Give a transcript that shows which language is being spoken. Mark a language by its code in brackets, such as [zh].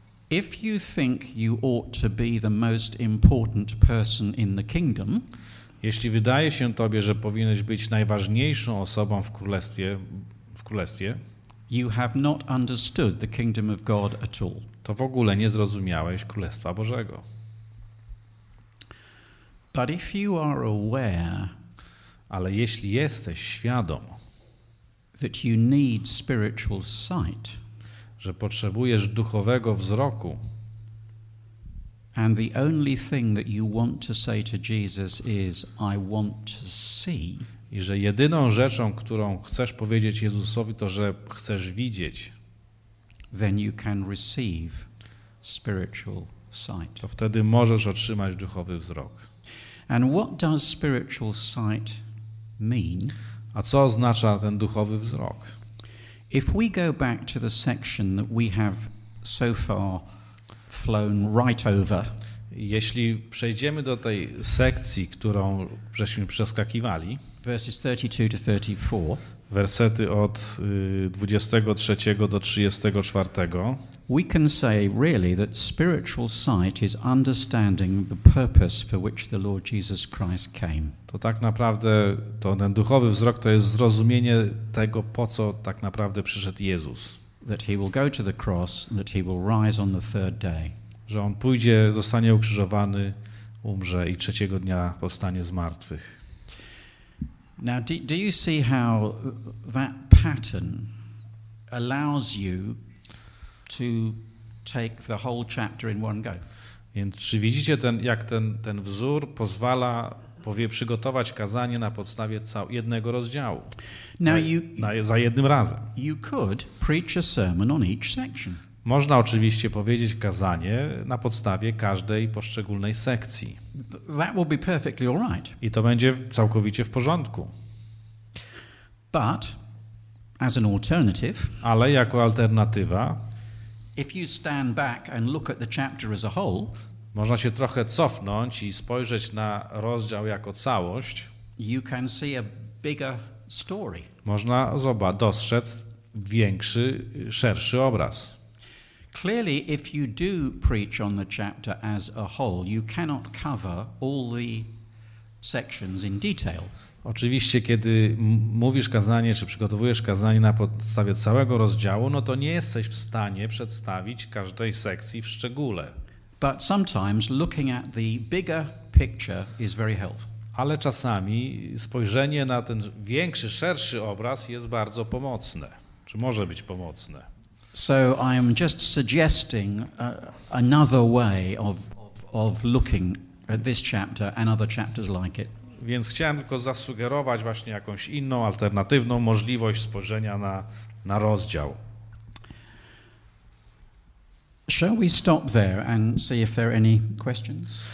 [en] If you think you ought to be the most important person in the kingdom, [pl] jeśli wydaje się tobie, że powinieneś być najważniejszą osobą w królestwie, [en] you have not understood the kingdom of God at all. [pl] To w ogóle nie zrozumiałeś Królestwa Bożego. [en] But if you are aware [pl] Ale jeśli jesteś świadom, [en] that you need spiritual sight, [pl] że potrzebujesz duchowego wzroku, [en] and the only thing that you want to say to Jesus is, I want to see. [pl] I że jedyną rzeczą, którą chcesz powiedzieć Jezusowi, to że chcesz widzieć. [en] Then you can receive spiritual sight. [pl] To wtedy możesz otrzymać duchowy wzrok. [en] And what does spiritual sight mean? [pl] A co oznacza ten duchowy wzrok? [en] If we go back to the section that we have so far flown right over. [pl] Jeśli przejdziemy do tej sekcji, którą żeśmy przeskakiwali, [en] verses 32 to 34, [pl] wersety od 23 do 34, [en] we can say really that spiritual sight is understanding the purpose for which the Lord Jesus Christ came. [pl] To tak naprawdę to ten duchowy wzrok to jest zrozumienie tego, po co tak naprawdę przyszedł Jezus. [en] That he will go to the cross, that he will rise on the third day. [pl] Że on pójdzie, zostanie ukrzyżowany, umrze i trzeciego dnia powstanie z martwych. [en] Now, do you see how that pattern allows you to take the whole chapter in one go? [pl] Więc czy widzicie ten, jak ten wzór pozwala przygotować kazanie na podstawie jednego rozdziału? [en] Now you, [pl] za jednym razem. [en] You could preach a sermon on each section. [pl] Można oczywiście powiedzieć kazanie na podstawie każdej poszczególnej sekcji. [en] That will be perfectly all right. [pl] I to będzie całkowicie w porządku. [en] But, as an alternative, [pl] ale jako alternatywa, [en] if you stand back and look at the chapter as a whole, [pl] można się trochę cofnąć i spojrzeć na rozdział jako całość, [en] you can see a bigger story. [pl] Można dostrzec większy, szerszy obraz. [en] Clearly, if you do preach on the chapter as a whole, you cannot cover all the sections in detail. [pl] Oczywiście, kiedy mówisz kazanie, czy przygotowujesz kazanie na podstawie całego rozdziału, no to nie jesteś w stanie przedstawić każdej sekcji w szczególe. [en] But sometimes looking at the bigger picture is very helpful. [pl] Ale czasami spojrzenie na ten większy, szerszy obraz jest bardzo pomocne, czy może być pomocne. [en] So I'm just suggesting another way of looking at this chapter and other chapters like it. [pl] Więc chciałem tylko zasugerować właśnie jakąś inną, alternatywną możliwość spojrzenia na rozdział. [en] Shall we stop there and see if there are any questions?